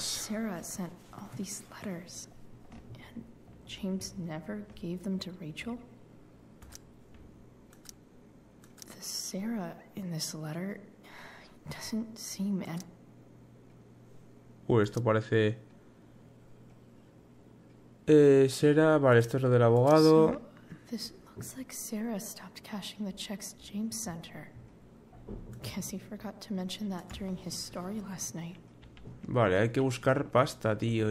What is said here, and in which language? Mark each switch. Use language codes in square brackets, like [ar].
[en] Sarah sent all these letters and James never gave them to Rachel. Sarah in this letter doesn't seem at. [es] Esto parece. Sarah, vale, esto es lo del abogado. [en] So, this looks like Sarah stopped cashing the checks James sent her. Guess he forgot to mention that during his story last night. [es] Vale, hay que buscar pasta, tío.